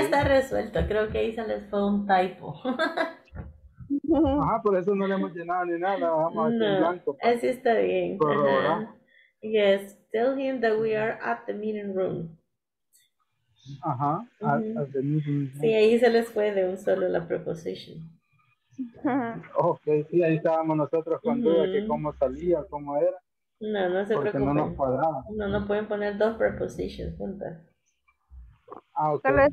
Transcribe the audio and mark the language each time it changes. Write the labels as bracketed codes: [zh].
[es] Está resuelto, creo que ahí se les fue un typo. Ajá, por eso no le hemos llenado ni nada, vamos a hacer no, blanco. Así está bien. Uh-huh. [en] Yes, tell him that we are at the meeting room. Ajá. Uh-huh. At the meeting room. [es] Sí, ahí se les fue de un solo la preposición. Ok, sí, ahí estábamos nosotros con duda que cómo salía, cómo era. No, no se porque preocupen. No nos cuadraba. No, no pueden poner dos prepositions juntas. Ah, ok.